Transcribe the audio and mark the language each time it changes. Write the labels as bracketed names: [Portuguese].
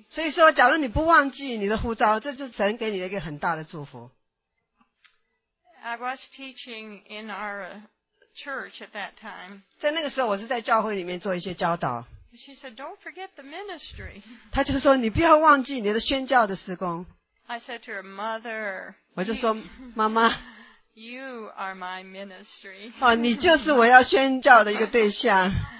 [Chinese] 所以说假如你不忘记你的呼召，这就神给你一个很大的祝福。 [English] I was teaching in our church at that time. [Chinese] 在那个时候我是在教会里面做一些教导。 [English] She said, "Don't forget the ministry." [Chinese] 她就说你不要忘记你的宣教的事工。 [English] I said to her, "Mother." [Chinese] 我就说妈妈。 [English] You are my ministry. [Chinese] 哦，你就是我要宣教的一个对象。